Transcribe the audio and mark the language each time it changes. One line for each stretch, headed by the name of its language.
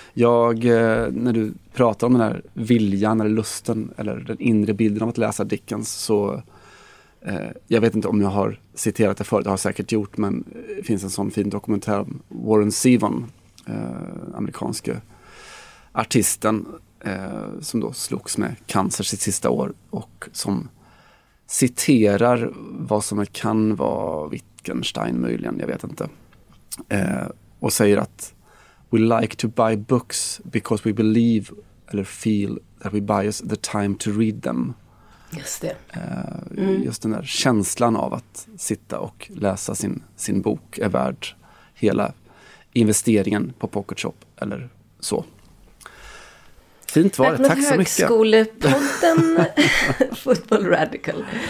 Swedish: Jag, när du pratar om den här viljan eller lusten eller den inre bilden av att läsa Dickens, så jag vet inte om jag har citerat det förut, det har jag säkert gjort, men det finns en sån fin dokumentär om Warren Zevon, amerikanske artisten som då slogs med cancer sitt sista år och som citerar vad som kan vara Wittgenstein möjligen, jag vet inte. Och säger att
English: we like to buy books because we believe eller feel that we buy us the time to read them.
Swedish: Just det. Just den där känslan av att sitta och läsa sin bok är värd hela investeringen på Pocket Shop eller så. Fint var det. Tack så mycket. Högskolepodden Football Radical.